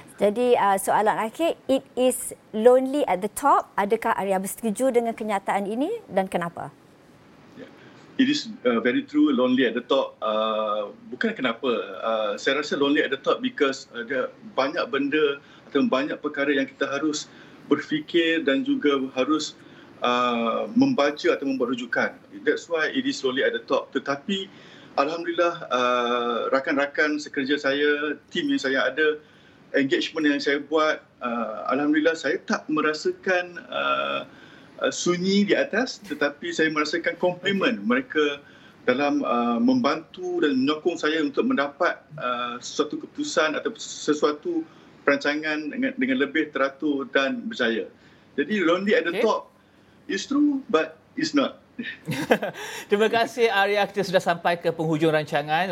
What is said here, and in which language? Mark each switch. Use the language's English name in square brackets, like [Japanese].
[Malay] Jadi soalan akhir, [English] it is lonely at the top. [Malay] Adakah Arya bersetuju dengan kenyataan ini dan kenapa? [English] It is very true, lonely at the top. [Malay] Bukan kenapa. Saya rasa [English] lonely at the top [Malay] because ada banyak benda atau banyak perkara yang kita harus berfikir dan juga harus membaca atau membuat rujukan. [English] That's why it is lonely at the top. [Malay] Tetapi alhamdulillah, rakan-rakan sekerja saya, tim yang saya ada, engagement yang saya buat, alhamdulillah saya tak merasakan sunyi di atas, tetapi saya merasakan compliment mereka dalam membantu dan menyokong saya untuk mendapat sesuatu keputusan atau sesuatu perancangan dengan lebih teratur dan berjaya. [English] Jadi lonely at the top is true but it's not. [Malay] Terima kasih Arya, kita sudah sampai ke penghujung rancangan.